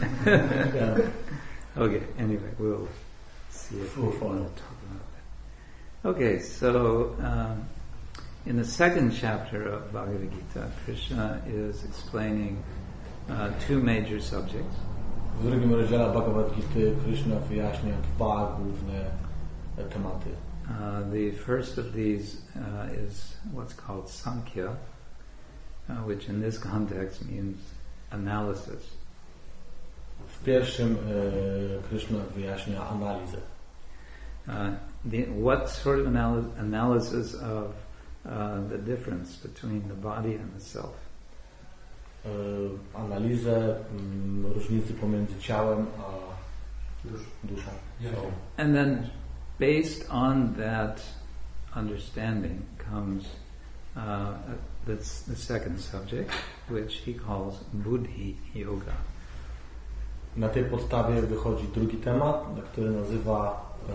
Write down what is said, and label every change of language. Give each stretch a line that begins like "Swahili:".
English: Yeah. Okay, anyway, we'll see if we want to talk about that. Okay, so in the second chapter of Bhagavad Gita, Krishna is explaining two major subjects.
Polish: W drugim rozdziale Bhagavad Gita Krishna wyjaśnia dwa główne tematy.
English: The first of these is what's called Sankhya, which in this context means analysis.
Polish: W pierwszym Krishna wyjaśnia analizę.
English: What sort of analysis of the difference between the body and the self.
Polish: Analizę różnicy pomiędzy ciałem a duszą.
English: And then based on that understanding comes that's the second subject, which he calls buddhi yoga.
Polish: Na tej podstawie wychodzi drugi temat, który nazywa